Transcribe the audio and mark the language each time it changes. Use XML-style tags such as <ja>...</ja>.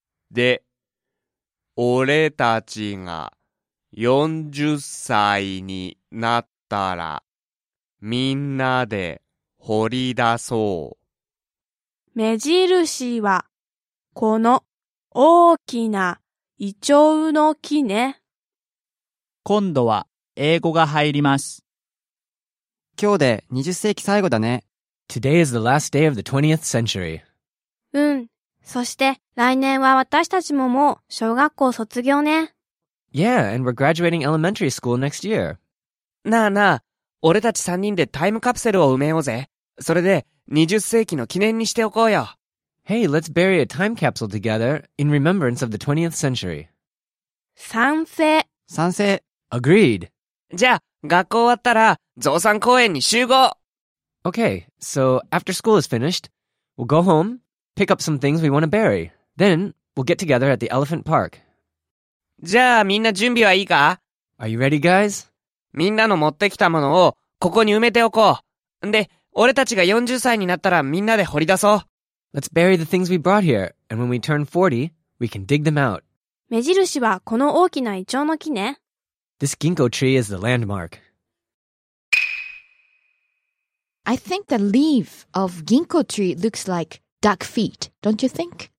<ja>で、俺たちが40歳になったらみんなで掘り出そう。目印はこの大きなイチョウの木ね。今度は英語が入ります。今日で20世紀最後だね。</ja> <en>Today is the last day of the 20th century.</en> <ja>うん。そして来年は私たちももう小学校卒業ね。</ja> <en>Yeah, and we're graduating elementary school next year.</en> <ja>なあなあ、俺たち3人でタイムカプセルを埋めようぜ。それで20世紀の記念にしておこうよ。</ja> <en>Hey, let's bury a time capsule together in remembrance of the 20th century.</en> <ja>賛成。賛成。</ja> <en>Agreed.</en> <ja>じゃあ、学校終わったら、増産公園に集合!</ja> <en>Okay, so after school is finished, we'll go home, pick up some things we want to bury. Then, we'll get together at the elephant park.</en> <ja>じゃあ、みんな準備はいいか?</ja> <en>Are you ready, guys?</en> <ja>みんなの持ってきたものを、ここに埋めておこう。んで、俺たちが40歳になったら、みんなで掘り出そう。</ja> <en>Let's bury the things we brought here, and when we turn 40, we can dig them out.</en> <ja>目印は、この大きなイチョウの木ね。</ja> <en>This ginkgo tree is the landmark. I think the leaf of ginkgo tree looks like duck feet, don't you think?</en>